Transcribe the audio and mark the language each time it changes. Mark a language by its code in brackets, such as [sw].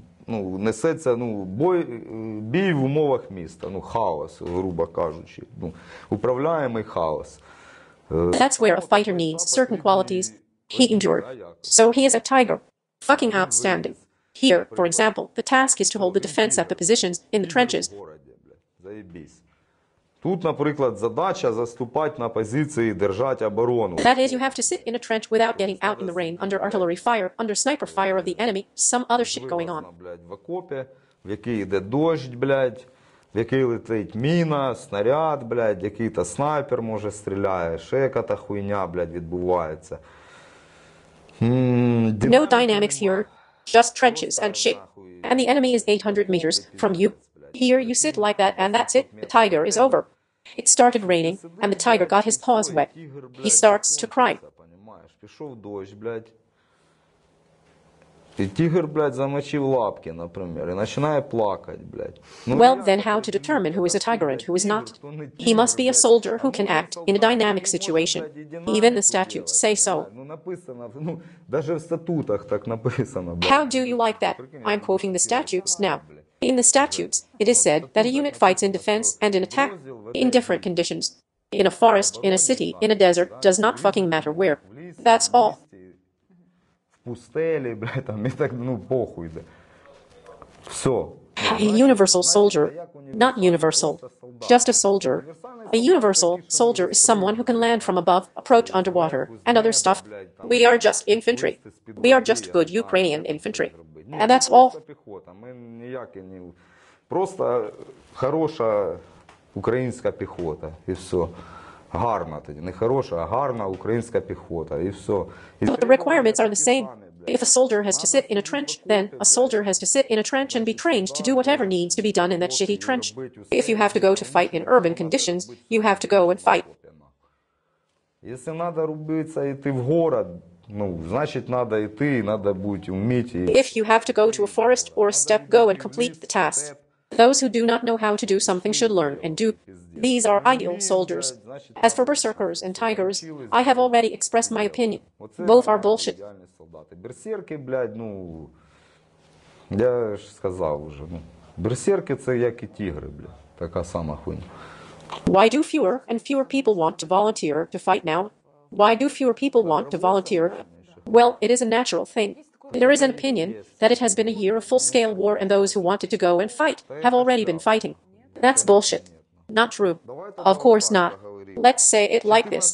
[uk] Ну, несеться, ну, бій в умовах міста, ну, хаос, грубо кажучи, ну, управляємий хаос. [en] That's where a fighter needs certain qualities. He endured. So he is a tiger. Fucking outstanding. Here, for example, the task is to hold the defense at the positions in the trenches. [uk] Заебись. Тут, наприклад, задача заступати на позиції, держати оборону. [en] That is, you have to sit in a trench without getting out in the rain, under artillery fire, under sniper fire of the enemy, some other shit going on. [uk] Вигласно, блядь, в окопі, в який йде дождь, блядь, в який летить міна, снаряд, блядь, який-то снайпер може стріляє, ще яка-то хуйня, блядь, відбувається. [en] No dynamics here, just trenches and shit. And the enemy is 800 meters from you. Here you sit like that and that's it, the tiger is over. It started raining and the tiger got his paws wet. He starts to cry. [uk] Пішов дощ, блядь. І тигр, блядь, замочив лапки, наприклад, і починає плакати, блядь. [en] Well, then how to determine who is a tiger and who is not? He must be a soldier who can act in a dynamic situation. Even the statutes say so. [uk] Ну, написано, ну, даже в статутах так написано, блядь. [en] How do you like that? I'm quoting the statutes now. In the statutes, it is said that a unit fights in defense and in attack in different conditions. In a forest, in a city, in a desert, does not fucking matter where. That's all. [uk] В пустелі, блядь, там, і так, ну, похуй, де. Все. [en] A universal soldier. Not universal. Just a soldier. A universal soldier is someone who can land from above, approach underwater, and other stuff. We are just infantry. We are just good Ukrainian infantry. And that's all. [uk] Ми ніякі ні. Просто хороша українська піхота. І все. Гарна тоді. Не хороша, а гарна українська піхота. І все. [en] But the requirements are the same. If a soldier has to sit in a trench, then a soldier has to sit in a trench and be trained to do whatever needs to be done in that shitty trench. If you have to go to fight in urban conditions, you have to go and fight. [uk] Якщо треба рубитися і йти в город, ну, значить, треба йти і треба бути вміти. [en] If you have to go to a forest or a steppe, go and complete the task. Those who do not know how to do something should learn and do. These are ideal soldiers. As for berserkers and tigers, I have already expressed my opinion. Both are bullshit. [uk] Берсерки, блядь, ну, я ж сказав уже, ну, берсерки – це як і тігри, блядь, така сама хуйня. [en] Why do fewer and fewer people want to volunteer to fight now? Why do fewer people want to volunteer? Well, it is a natural thing. There is an opinion that it has been a year of full-scale war and those who wanted to go and fight have already been fighting. That's bullshit. Not true. Of course not. Let's say it like this.